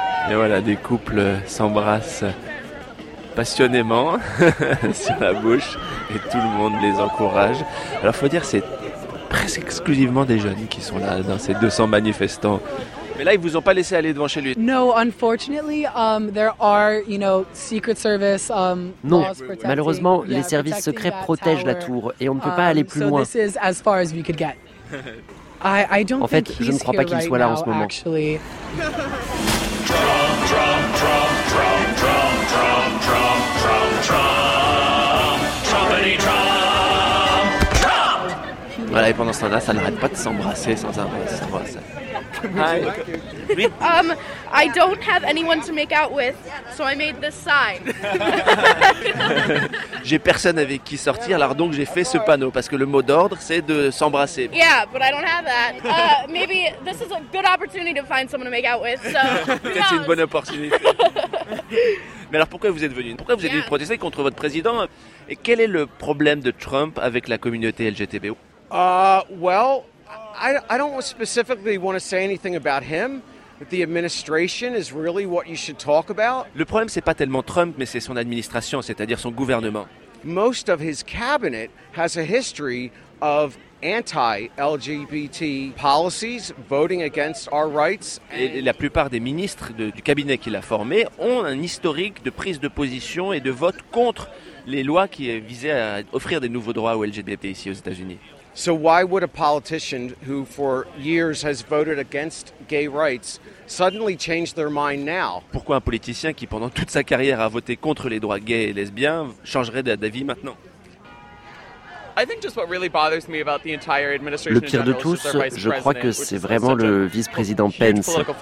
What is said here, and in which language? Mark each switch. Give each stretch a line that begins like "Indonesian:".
French: Et voilà, des couples s'embrassent passionnément sur la bouche et tout le monde les encourage. Alors faut dire, c'est presque exclusivement des jeunes qui sont là dans ces 200 manifestants. Mais là, ils vous ont pas laissé aller devant chez lui.
English: No, unfortunately, there are, you know, secret service.
French: Non, malheureusement, les services secrets protègent la tour et on ne peut pas aller plus loin.
English: So this is as far as we could get. I don't.
French: En fait, je ne crois pas qu'il soit là en ce moment. Voilà, et pendant ce temps-là, ça n'arrête pas de s'embrasser sans s'embrasser.
English: Hi. I don't have anyone to make out with, so I made this sign.
French: J'ai personne avec qui sortir, alors donc j'ai fait ce panneau parce que le mot d'ordre c'est de s'embrasser.
English: Yeah, but I don't have that. Maybe this is a good opportunity to find someone to make out with. So
French: c'est une bonne opportunité. Mais alors pourquoi vous êtes venu? Pourquoi vous êtes venu protester contre votre président? Et quel est le problème de Trump avec la communauté LGBT?
English: I don't specifically want to say anything about him, but the administration is really what you should talk about.
French: Le problème c'est pas tellement Trump, mais c'est son administration, c'est-à-dire son gouvernement.
English: Most of his cabinet has a history of anti-LGBT policies, voting against our rights.
French: Et la plupart des ministres du cabinet qu'il a formé ont un historique de prise de position et de vote contre les lois qui visaient à offrir des nouveaux droits aux LGBT ici aux États-Unis.
English: So why would a politician who for years has voted against gay rights suddenly change their mind now?
French: Pourquoi un politicien qui pendant toute sa carrière a voté contre les droits gays et lesbiens changerait d'avis maintenant?
English: I think just what really bothers me about the entire administration.
French: Le pire de tous, je crois que c'est vraiment le vice-président Pence.